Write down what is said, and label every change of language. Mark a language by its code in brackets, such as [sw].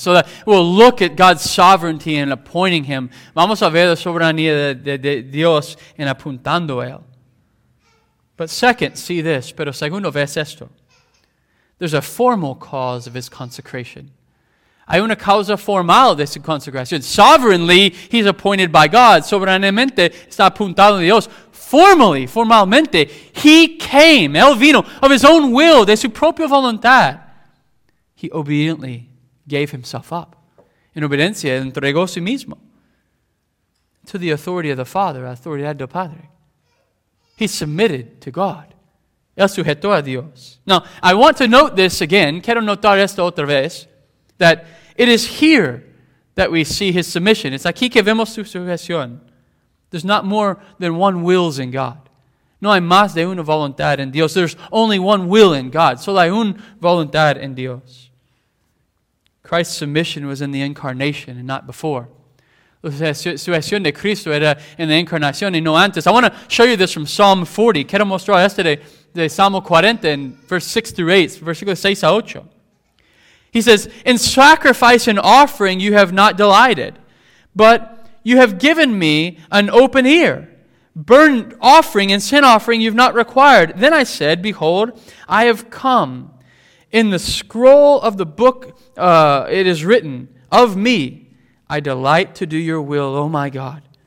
[en] So that we'll look at God's sovereignty in appointing him. [es] Vamos a ver la soberanía de Dios en apuntando él. [en] But second, see this, [es] pero segundo ves esto. [en] There's a formal cause of his consecration. [es] Hay una causa formal de su consecración. [en] Sovereignly, he's appointed by God. [es] Soberanamente, está apuntado a Dios. [en] Formally, formalmente, he came, [es] él vino, [en] of his own will, [es] de su propia voluntad. [en] He obediently gave himself up. [es] En obediencia, entregó a sí mismo. [en] To the authority of the Father, [es] autoridad del Padre. [en] He submitted to God. [es] Él sujetó a Dios. [en] Now, I want to note this again. [es] Quiero notar esto otra vez. [en] That it is here that we see his submission. [es] It's aquí que vemos su sujeción. [en] There's not more than one wills in God. [es] No hay más de una voluntad en Dios. [en] There's only one will in God. [es] Solo hay una voluntad en Dios. [en] Christ's submission was in the incarnation and not before. [es] La sujeción de Cristo era en la encarnación y no antes. [en] I want to show you this from Psalm 40. [es] Quiero mostrar esto de Salmo 40 en [en] verse 6 through 8, [es] versículo 6 a 8. [en] He says, in sacrifice and offering you have not delighted, but you have given me an open ear. Burnt offering and sin offering you've not required. Then I said, behold, I have come. In the scroll of the book it is written of me, I delight to do your will, O my God.